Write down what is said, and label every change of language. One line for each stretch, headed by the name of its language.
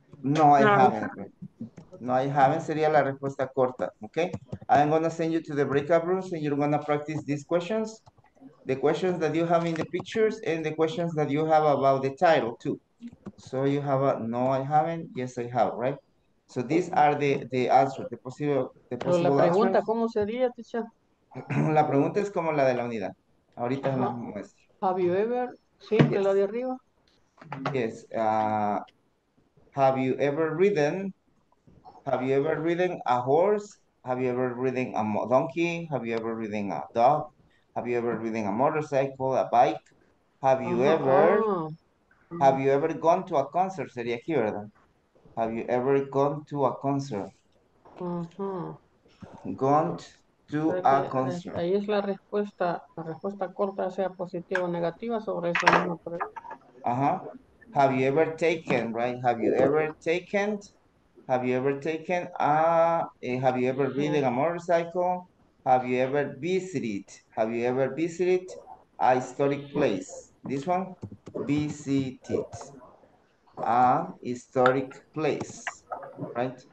English: No, I haven't. No, I haven't
Spanish: sería la respuesta corta.
English: Okay. I'm going to send you to the breakout rooms and you're going to practice these questions. The questions that you have in the pictures and the questions that you have about the title too. So you have a no, I haven't. Yes, I have, right? So these are the answers, the possible answers.
Spanish: Pero la pregunta, ¿cómo sería, ticha? La pregunta es como la de la unidad. Ahorita la muestro.
English: Have you ever seen
Spanish: de la de arriba?
English: Yes. Have you ever ridden? Have you ever ridden a horse? Have you ever ridden a donkey? Have you ever ridden a dog? Have you ever ridden a motorcycle, a bike? Have you ever? Have you ever gone to a concert?
Spanish: Sería aquí, ¿verdad?
English: Have you ever gone to a concert? Gone to a concert.
Spanish: Ahí es la respuesta corta, sea positiva o negativa sobre eso.
English: Have you ever taken, right? Have you ever taken? Have you ever taken a, have you ever ridden a motorcycle? Have you ever visited? Have you ever visited a historic place? This one, visited. A historic place, right?